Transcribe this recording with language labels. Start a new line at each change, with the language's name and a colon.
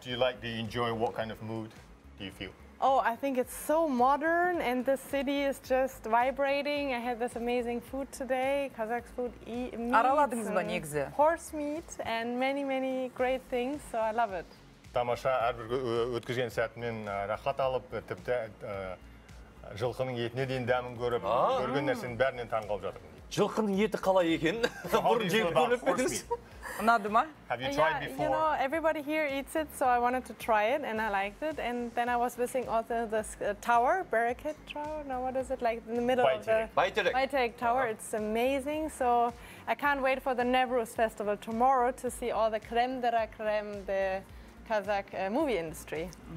English: Do you like, do you enjoy, what kind of mood do you feel? Oh, I think it's so modern and the city is just vibrating. I had this amazing food today, Kazakh food, meats and horse meat and many, many great things, so I love it.
Kazakh: Тамаша, әрбір өткізген сәтімен рахат алып, тіпті жылқының етіне дейін дәмін көріп, көрген нәрсенің бәрінен таң қалып жатырмын. Жылқының еті қалай екен? Бұрын жеп көріп пеңіз.
English: Another one? Have you tried before? You know, everybody here eats it, so I wanted to try it, and I liked it. And then I was missing also this tower, barricade tower. Now what is it like in the middle of the Baytelek? Baytelek tower. Uh-huh. It's amazing. So I can't wait for the Nevruz festival tomorrow to see all the creme de la creme, the Kazakh movie industry.